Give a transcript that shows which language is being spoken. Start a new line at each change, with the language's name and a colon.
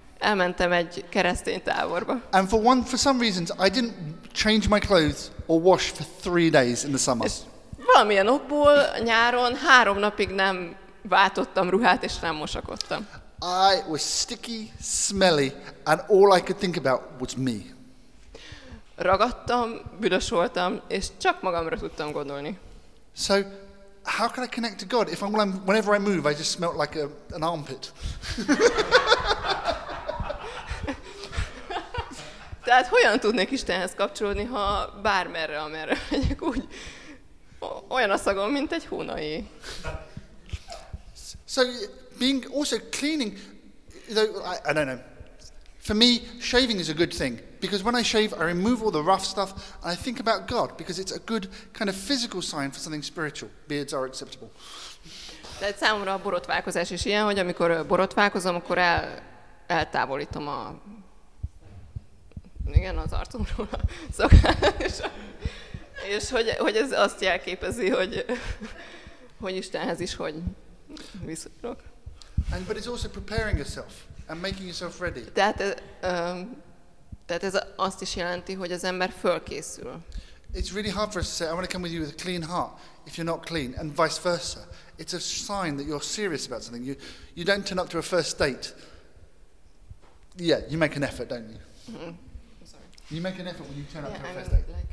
Hungarian: Elmentem egy keresztény táborba.
English: And for some reasons I didn't change my clothes or wash for 3 days in the summer.
Hungarian: És valamilyen okból nyáron 3 napig nem váltottam ruhát és nem mosakodtam.
English: I was sticky, smelly, and all I could think about was me.
Hungarian: Ragadtam, büdös voltam, és csak magamra tudtam gondolni.
English: So, how can I connect to God if whenever I move, I just smell like an armpit?
Hungarian: Tehát hogyan tudnék Istenhez kapcsolódni, ha bármerre, amerre megyek, úgy olyan a szagom, mint egy hunai.
English: So, being also cleaning, though, I don't know. For me, shaving is a good thing. Because when I shave, I remove all the rough stuff, and I think about God, because it's a good kind of physical sign for something spiritual. Beards are acceptable.
Hungarian: De számomra a borotválkozás is ilyen, hogy amikor borotválkozom, akkor eltávolítom a... Igen, az arcomról a szokás. És hogy ez azt jelképezi, hogy Istenhez is hogy viszonyulok.
English: But it's also preparing yourself and making yourself ready.
Hungarian: Tehát ez azt is jelenti, hogy az ember fölkészül.
English: It's really hard for us to say, I want to come with you with a clean heart if you're not clean, and vice versa. It's a sign that you're serious about something. You don't turn up to a first date. Yeah, you make an effort, don't you? Mm-hmm. Sorry. You make an effort when you turn up to a first date.